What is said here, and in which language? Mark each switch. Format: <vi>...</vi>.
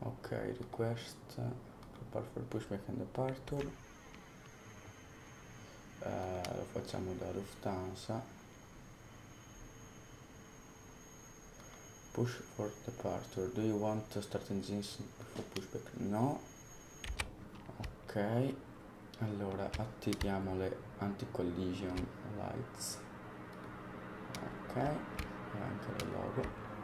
<en>Request prepare for push back and departure.</en> <it>Lo facciamo da Lufthansa.</it> <en>Push for departure. Do you want to start engines for push back? No.</en> <it>Ok, allora attiviamo le anti-collision lights. Ok, e anche le logo.</it>